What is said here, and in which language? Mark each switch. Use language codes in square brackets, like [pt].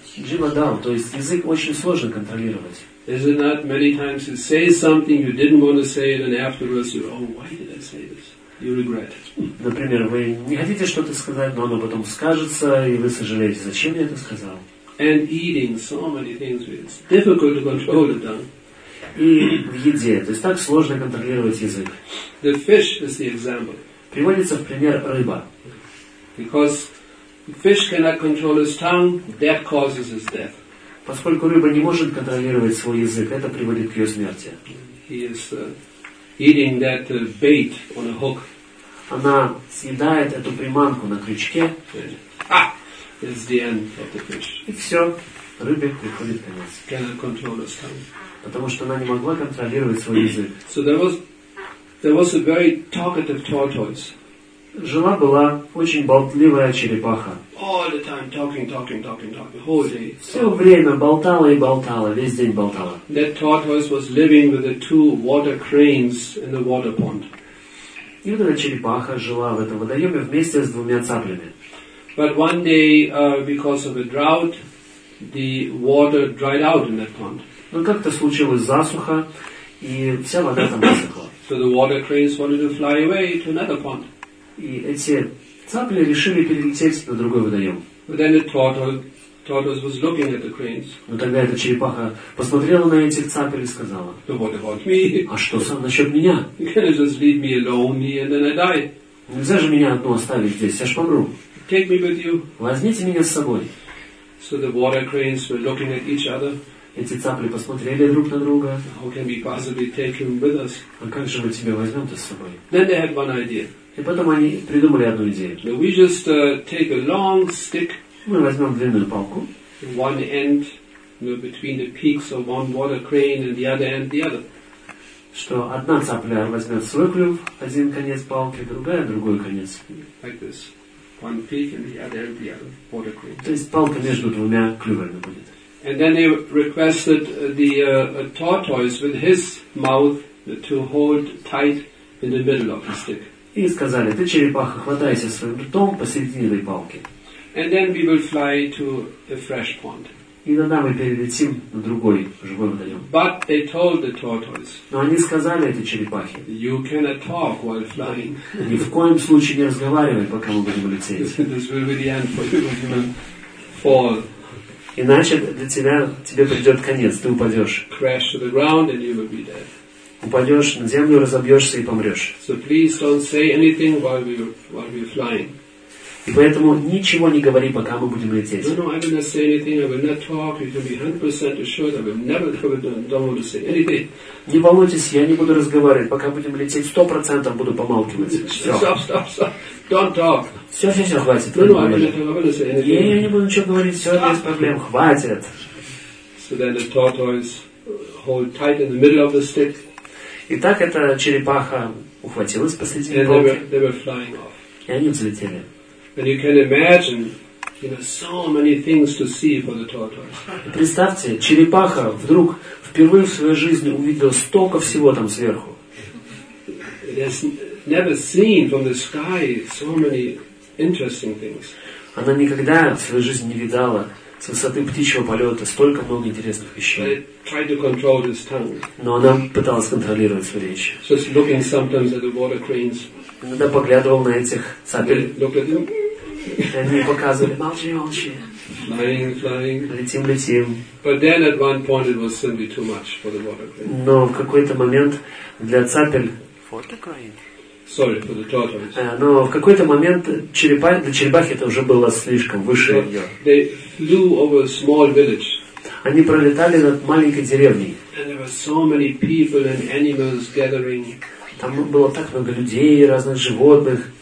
[ru] Jiva dao, то есть язык очень сложно контролировать. [en] Is it not many times you say something you didn't want to say it, and afterwards you why did I say this? You regret it. [ru] Например, вы не хотите что-то сказать, но оно потом скажется, и вы сожалеете, зачем я это сказал. [en] And eating, so many things, it's difficult to control the tongue. [ru] И в еде, то есть так сложно контролировать язык. [en] The fish is the example. [ru] Приводится в пример рыба. [en] Because fish cannot control his tongue, that causes his death. [ru] Поскольку рыба не может контролировать свой язык, это приводит к ее смерти. [en] He is eating that bait on a hook. [ru] Она съедает эту приманку на крючке. [en] It's the end of the fish. [ru] И все, рыбе приходит конец. [en] Cannot control his tongue. [ru] Потому что она не могла контролировать свой язык. [en] So there was a very talkative tortoise. [ru] Жила была очень болтливая черепаха. [en] All the time talking, whole day. [ru] Все время болтала и болтала, весь день болтала. [en] That tortoise was living with the two water cranes in the water pond. [ru] И вот эта черепаха жила в этом водоеме вместе с двумя цаплями. [en] But one day, because of a drought, the water dried out in that pond. [ru] Но как-то случилась засуха, и вся вода там высохла. [en] So the water cranes wanted to fly away to another pond. [ru] И эти цапли решили перелететь на другой водоем. [en] But then the tortoise was looking at the cranes. [ru] Но тогда эта черепаха посмотрела на этих цапель и сказала: [en] So what about me? [ru] А что сам насчет меня? [en] You can just leave me alone, and then I die. [ru] Нельзя же меня одну оставить здесь, я ж помру. [en] Take me with you. [ru] Возьмите меня с собой. [en] So the water cranes were looking at each other. [ru] Эти цапли посмотрели друг на друга. [en] How can we possibly take him with us? [ru] А как же мы тебя возьмем-то с собой? [en] Then they had one idea. [ru] И потом они придумали одну идею. [en] We just take a long stick. [ru] Мы возьмем длинную палку. [en] One end, between the peaks of one water crane, and the other end, the other. [ru] Что одна цапля возьмет свой клюв, один конец палки, другая другой конец. [en] Like this. One peak and the other end, the other water crane. [ru] То есть палка между двумя клювами будет. [en] And then they requested the tortoise with his mouth to hold tight in the middle of the stick. [ru] И сказали: ты, черепаха, хватайся своим ртом посередине этой палки. [en] And then we will fly to a fresh pond. [ru] И тогда мы перелетим на другой живой водоем. [en] But they told the tortoise. [ru] Но они сказали этой черепахе: [en] you cannot talk while flying. [ru] Ни в коем случае не разговаривай, пока мы будем лететь. [en] This will be the end for you, human fall. [ru] Иначе для тебе придет конец, ты упадешь. [en] Crash to the ground and you will be dead. [ru] Упадешь на землю, разобьешься и помрешь. [en] So please don't say anything while we're flying. [ru] И поэтому ничего не говори, пока мы будем лететь. [en] No, I will not say anything. I will not talk. You can be 100% assured. I will never talk. Don't want to say anything. [ru] Не волнуйтесь, я не буду разговаривать, пока будем лететь. 100% буду помалкивать. Все. [en] Stop. Don't talk. [ru] Все, хватит. [en] No, I will not say anything. [ru] Я не буду ничего говорить. Все, без проблем. Хватит. [en] So then the tortoise hold tight in the middle of the stick. [ru] И так эта черепаха ухватилась посредине палки. [en] They were flying off. [ru] И они взлетели. [en] And you can imagine, so many things to see for the tortoise. [ru] И представьте, черепаха вдруг впервые в своей жизни увидела столько всего там сверху. [en] It has never seen from the sky so many interesting things. [ru] Она никогда в своей жизни не видала с высоты птичьего полета столько много интересных вещей. [en] Tried to control his tongue. [ru] Но она пыталась контролировать свою речь. [en] Just looking sometimes at the water cranes. [ru] Иногда поглядывал на этих сапель. Они показывали, молчи, молчи. [en] Flying, flying. [ru] Летим, летим. [en] But then at one point it was simply too much for the water cranes. [ru] Но в какой-то момент для сапель. [en] For the crane. Sorry for the tortoise. [ru] Но в какой-то момент для черепахи это уже было слишком выше ее. [en] They flew over a small village. [ru] Они пролетали над маленькой деревней. [en] And there were so many people and animals gathering. [ru] Там было так много людей, разных животных.